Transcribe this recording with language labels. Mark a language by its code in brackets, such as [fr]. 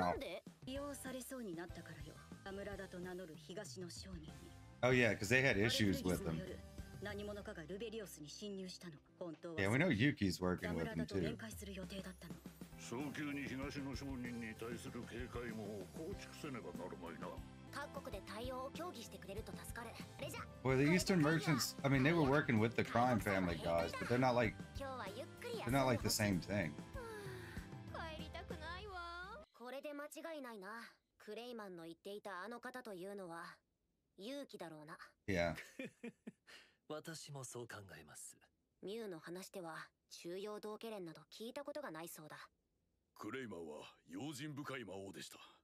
[ja] なんで利用されそうになったからよ。アムラダと名乗る東の商人に。 [en] Oh yeah, because they had issues with them. [ja] 何者かがルベリオスに侵入したの。本当は。 [en] Yeah, we know Yuki's working with him too. [ja] ラムラダと面会する予定だったの。早急に東の商人に対する警戒も構築せねばなるまいな。各国で対応を協議してくれると助かる。あれじゃ。 [en] Well, the Eastern merchants, I mean, they were working with the crime family guys, but they're not like, they're not like the same thing. [ja] 帰りたくないわ。これで間違いないな。クレイマンの言っていたあの方というのは、勇気だろうな。 [en] Yeah. [ja] 私もそう考えます。ミュウの話では、中央道化連など聞いたことがないそうだ。クレイマンは用心深い魔王でした。